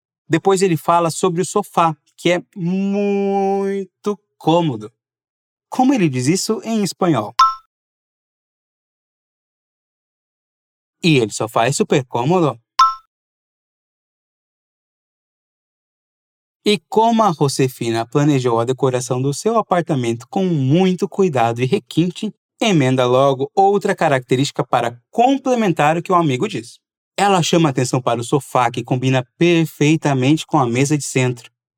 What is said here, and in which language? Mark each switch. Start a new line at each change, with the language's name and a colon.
Portuguese: Depois ele fala sobre o sofá, que é muito cômodo. Como ele diz isso em espanhol?
Spanish: E el sofá es super cómodo.
Portuguese: E como a Josefina planejou a decoração do seu apartamento com muito cuidado e requinte, emenda logo outra característica para complementar o que o amigo diz. Ela chama atenção para o sofá, que combina perfeitamente com a mesa de centro.